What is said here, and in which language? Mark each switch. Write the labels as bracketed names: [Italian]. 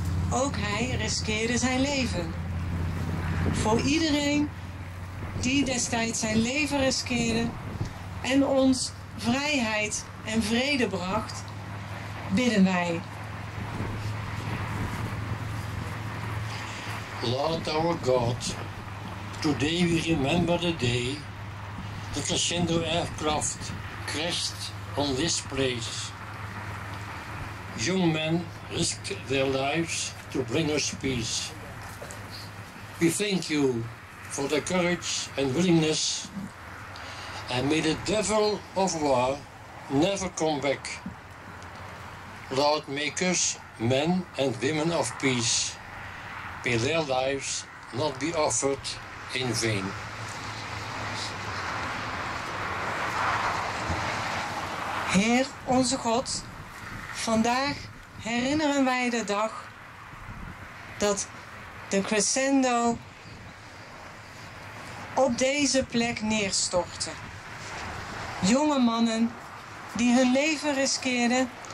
[Dutch] Ook hij riskeerde zijn leven. Voor iedereen die destijds zijn leven riskeerde en ons vrijheid en vrede bracht, bidden wij. [English] Lord our God, today we remember the day the Crescendo aircraft crashed on this place. Young men risked their lives to bring us peace. We thank you for the courage and willingness, and may the devil of war never come back. Lord, make us men and women of peace. May their lives not be offered in vain. [Dutch] Heer onze God, vandaag herinneren wij de dag dat de Crescendo op deze plek neerstortte. Jonge mannen die hun leven riskeerden